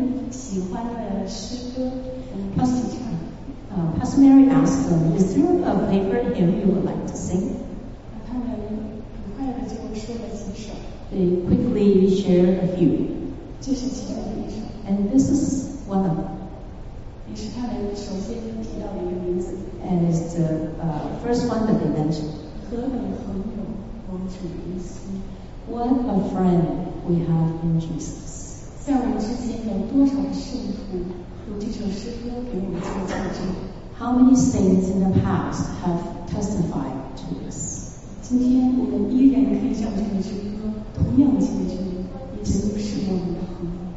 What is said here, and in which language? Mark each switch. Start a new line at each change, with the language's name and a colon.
Chinese: 喜欢的诗歌，我们一起唱。
English: Pastor Mary asked them, is there a favorite hymn you would like to sing?
Chinese: 他们很快的就说了几首。
English: They quickly shared a few.
Chinese: 这是其中的一首。
English: And this is one of them.
Chinese: 也是他们首先提到的一个名字。
English: And it's the first one that they mentioned.
Chinese: 何等朋友，我们主耶稣。
English: What a friend we have in Jesus.
Chinese: 在我们之间有多少圣徒读这首诗歌给我们做见证。
English: How many saints in the past have testified to this?
Chinese: 今天我们依然可以向这首诗歌同样见证，耶稣是我们的朋友。